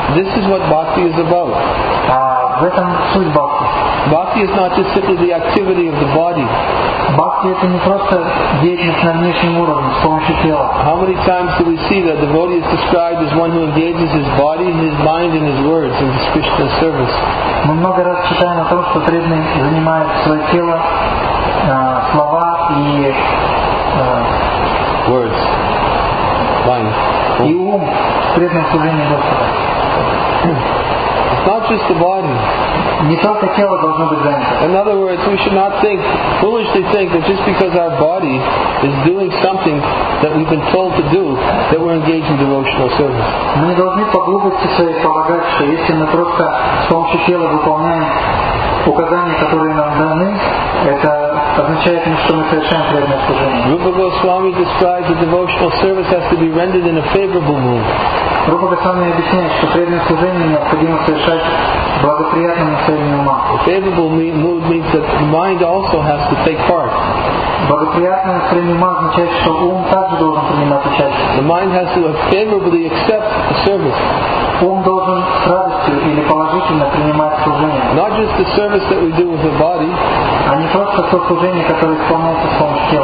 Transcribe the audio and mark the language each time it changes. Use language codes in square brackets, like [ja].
[en] This is what bhakti is about. [ru] В этом суть бхакти. [en] Bhakti is not just simply the activity of the body. [ru] Bhakti это не просто деятельность на внешнем уровне, с помощью тела. [en] How many times do we see that the devotee is described as one who engages his body, his mind, and his words in his Krishna service? [ru] Мы много раз читаем о том, что преданный занимает свое тело, слова и [en] words, mind, [ru] и ум в преданном служении Господа. [en] It's not just the body. [ru] Не только тело должно быть занято. [en] In other words, we should not think, foolishly think that just because our body is doing something that we've been told to do, that we're engaged in devotional service. [ru] Мы не должны по глупости своей полагать, что если мы просто с помощью тела выполняем указания, которые нам даны, это означает, что мы совершаем преданное служение. [en] Rupa Goswami describes that devotional service has to be rendered in a favorable mood. [ru] Рупа Госвами объясняет, что преданное служение необходимо совершать благоприятным настроением ума. [en] A favorable mood means that the mind also has to take part. [ru] Благоприятное настроение ума означает, что ум также должен принимать участие. [en] The mind has to favorably accept the service. [ru] Ум должен с радостью или положительно принимать служение. [en] Not just the service that we do with the body, [ru] а не просто то служение, которое исполняется с помощью тела.